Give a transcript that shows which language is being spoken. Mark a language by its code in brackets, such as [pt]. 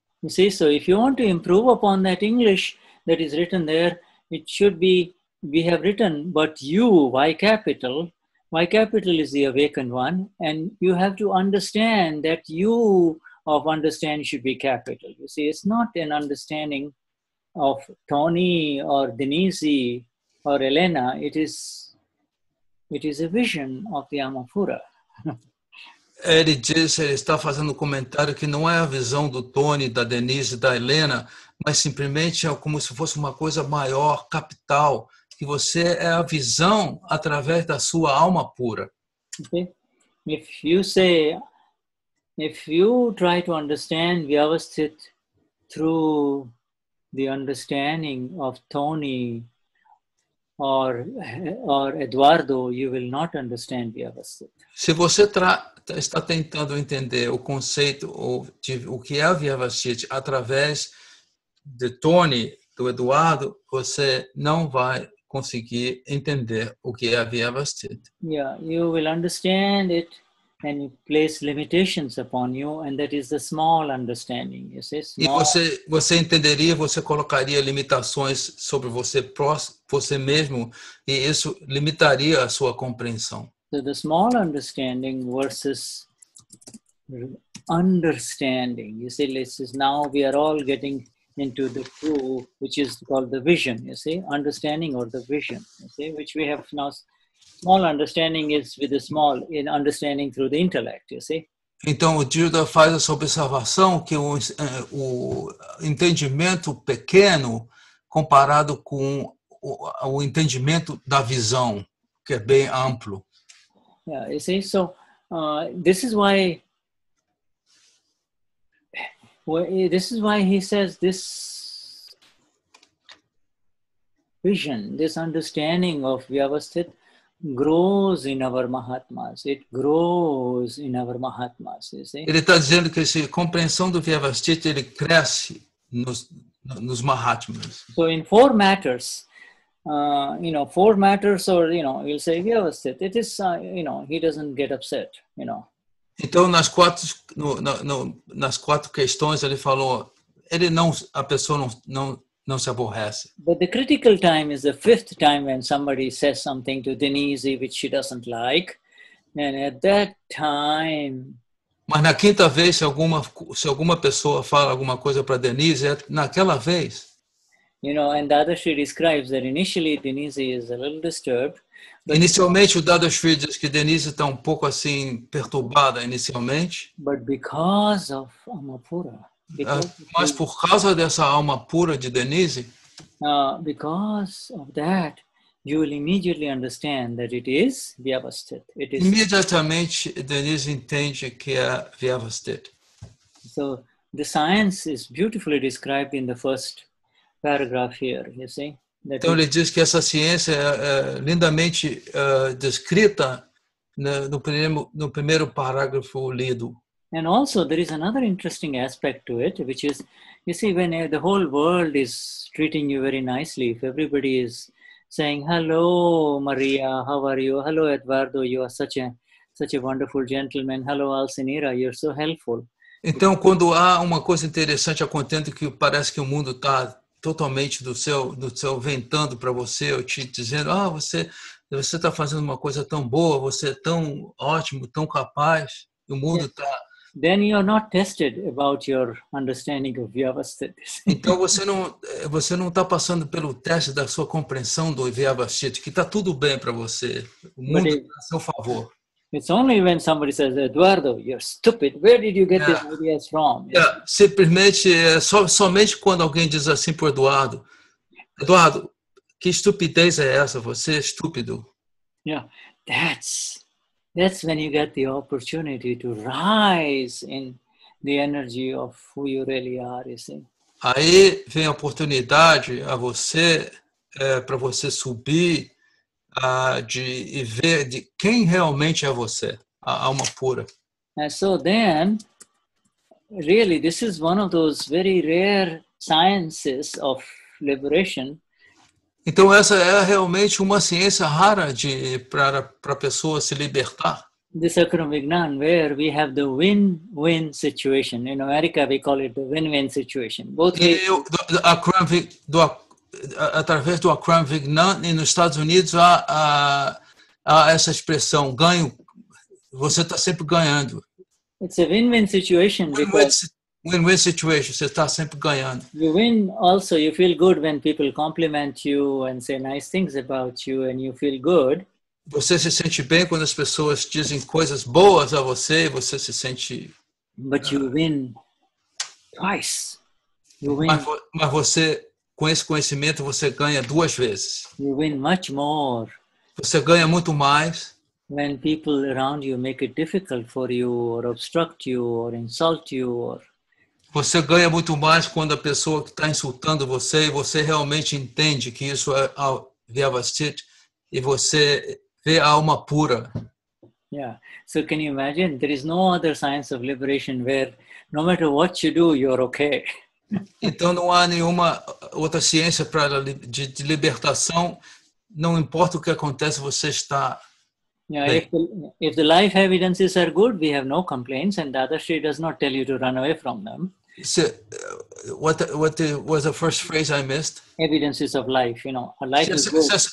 [en] You see, so if you want to improve upon that English that is written there, it should be we have written, but you, Y capital is the awakened one, and you have to understand that you of understanding should be capital. You see, it's not an understanding of Tony or Denise or Elena. It is a vision of the Amapura. [pt] Ele diz, ele está fazendo um comentário que não é a visão do Tony, da Denise, da Elena, mas simplesmente é como se fosse uma coisa maior, capital, que você é a visão através da sua alma pura. [en] Okay. If you say, if you try to understand Vyavasthit through the understanding of Tony or Eduardo, you will not understand Vyavasthit. [pt] Se você está tentando entender o conceito de o que é a Vyavasthita através de Tony, do Eduardo, você não vai conseguir entender o que é a Vyavasthita. [en] Yeah, you will understand it and place limitations upon you, and that is the small understanding. You see, small. [pt] E você entenderia, você colocaria limitações sobre você mesmo, e isso limitaria a sua compreensão. [en] So the small understanding versus understanding. You see, this is now we are all getting into the true, which is called the vision. You see, understanding or the vision. You see, which we have now. Small understanding is with the small in understanding through the intellect. You see. [pt] Então o Judo faz essa observação que o entendimento pequeno comparado com o entendimento da visão que é bem amplo. [en] Yeah, you see, so this is why. Well, this is why he says this vision, this understanding of Vyavasthit grows in our Mahatmas. It grows in our Mahatmas. You see. [pt] Ele está dizendo que essa compreensão do Vyavasthit ele cresce nos Mahatmas. [en] So in four matters. Four matters, or you'll say Vyavasthit. It is, he doesn't get upset, [pt] Então nas quatro questões ele falou, a pessoa não se aborrece. [en] But the critical time is the fifth time when somebody says something to Denise which she doesn't like, and at that time. [pt] Mas na quinta vez se alguma pessoa fala alguma coisa para Denise, é naquela vez. [en] And Dada Shri describes that initially Denise is a little disturbed. But [pt] inicialmente o Dada Shri diz que Denise está um pouco assim perturbada inicialmente. [en] But because of Amapura. [pt] Mas por causa dessa alma pura de Denise. [en] Because of that, you will immediately understand that it is Vyavasthit. It is. [pt] Imediatamente Denise entende que é Vyavasthit. [en] So the science is beautifully described in the first paragraph here, you see. [pt] Então ele diz que essa ciência é lindamente descrita no primeiro parágrafo lido. [en] And also there is another interesting aspect to it, which is, you see, when the whole world is treating you very nicely, if everybody is saying, hello, Maria, how are you? Hello, Eduardo, you are such a wonderful gentleman. Hello, Alcinira, you're so helpful. [pt] Então quando há uma coisa interessante acontecendo que parece que o mundo está totalmente do seu ventando para você, eu te dizendo, você está fazendo uma coisa tão boa, você é tão ótimo, tão capaz, o mundo está. [en] Then you're not tested about your understanding of Vyavasthita. [pt] Então você não está passando pelo teste da sua compreensão do Vyavasthita, que está tudo bem para você, o mundo está a seu favor. [en] It's only when somebody says, Eduardo, you're stupid. Where did you get these ideas from? Yeah. [pt] Simplesmente, somente quando alguém diz assim para o Eduardo. Eduardo, que estupidez é essa? Você é estúpido. [en] Yeah. That's when you get the opportunity to rise in the energy of who you really are, you see. [pt] Aí vem a oportunidade para você subir de ver de quem realmente é você, a alma pura. [en] And so then, really, this is one of those very rare sciences of liberation. [pt] Então essa é realmente uma ciência rara de para a pessoa se libertar. [en] The circumvignan, where we have the win-win situation. In America, we call it the win-win situation. Both [pt] e eu, através do Akram Vignan, e nos Estados Unidos há essa expressão, ganho, você está sempre ganhando. [en] It's a win-win situation. Win-win situation, [pt] você está sempre ganhando. [en] You win also, you feel good when people compliment you and say nice things about you and you feel good. [pt] Você se sente bem quando as pessoas dizem coisas boas a você e você se sente... [en] But you win twice. You win. [pt] Mas você, com esse conhecimento, você ganha duas vezes. [en] You win much more. [pt] Você ganha muito mais. [en] When people around you make it difficult for you or obstruct you or insult you or... [pt] Você ganha muito mais quando a pessoa que está insultando você e você realmente entende que isso é a Vyavasthit e você vê a alma pura. [en] Yeah. So can you imagine? There is no other science of liberation where no matter what you do, you're okay. [pt] Então não há nenhuma outra ciência para de libertação. Não importa o que acontece, você está... [en] Yeah, if the life evidences are good, we have no complaints and Dadashri does not tell you to run away from them. So, what was the first phrase I missed? Evidences of life, you know, a life is good.